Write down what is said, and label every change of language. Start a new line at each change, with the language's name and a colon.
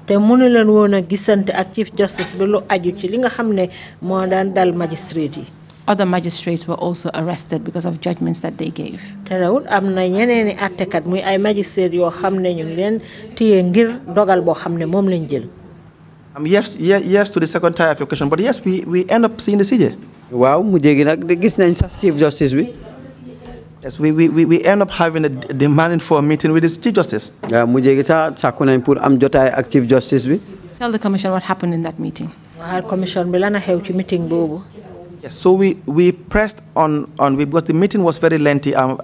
Wolof: Té mënu leen wona gisante ak chief justice bi lu aju ci li nga xamné mo daan dal magistrate yi.
English: Other magistrates were also arrested because of judgments that they gave.
Wolof: Terawul amna ñeneeni atté kat muy ay magistrate yo xamné ñu leen tiyé ngir dogal bo xamné mom lañ jël.
English: Yes, to the second tier of your question, but yes, we end up seeing the CJ.
Wolof: Wow, mujegi nak gis nañ sax Chief Justice bi.
English: Yes, we end up having a demanding for a meeting with the Chief Justice.
Wolof: Yeah, mujegi sa sakku nañ pour am jotay ak Chief Justice bi.
English: Tell the commission what happened in that meeting.
Wolof: Waal commission bi lana xew ci meeting bobu.
English: Yes, so we pressed on because the meeting was very lengthy.